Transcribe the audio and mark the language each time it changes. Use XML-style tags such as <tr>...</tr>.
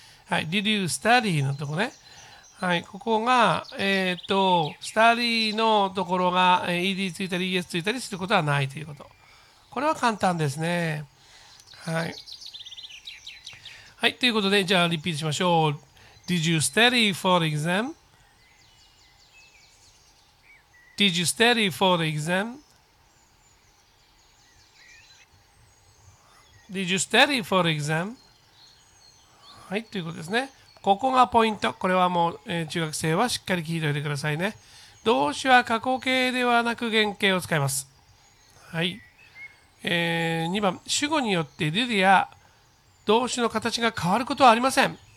<ja>はい、</ja> <en>Did you study</en> <ja>のところね。はい、ここが、study のところが ed ついたり es ついたりすることはないということ。これは簡単ですね。はい、はい、ということでじゃあリピートしましょう。</ja> <en>Did you study for the exam? Did you study for the exam? Did you study for the exam?</en> <ja>はい、ということですね。ここがポイント。これはもう、中学生はしっかり聞いておいてくださいね。動詞は過去形ではなく原形を使います。はい。 2番、主語によって did や動詞の形が変わることはありません。</ja>